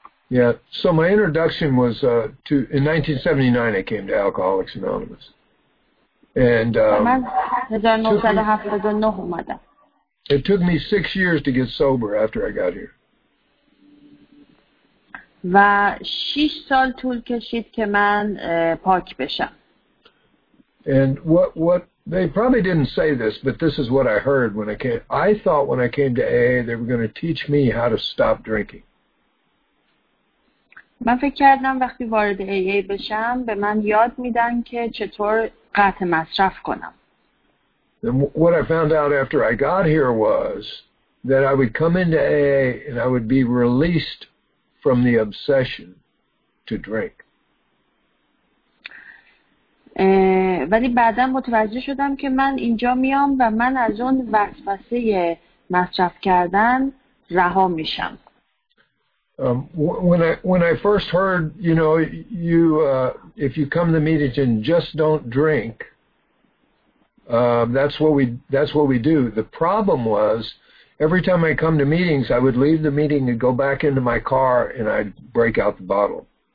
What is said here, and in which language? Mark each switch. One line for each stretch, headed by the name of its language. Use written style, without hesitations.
English: Yeah. So my introduction was in 1979 I came to Alcoholics Anonymous. And
Persian: من 1979 اومدم.
English: It took me 6 years to get sober after I got here.
Persian: و 6 سال طول کشید که من پاک بشم.
English: And what they probably didn't say this, but this is what I heard when I came. I thought when I came to AA they were going to teach me how to stop drinking.
Persian: من فکر کردم وقتی وارد AA بشم به من یاد میدن که چطور قطع مصرف کنم.
English: And what I found out after I got here was that I would come into AA and I would be released from the obsession to drink.
Persian: ولی بعداً متوجه شدم که من اینجا میام و من از اون وسوسه مصرف کردن رها میشم.
English: When I first heard, if you come to meetings and just don't drink, that's what we do. The problem was every time I come to meetings, I would leave the meeting and go back into my car and I'd break out the bottle.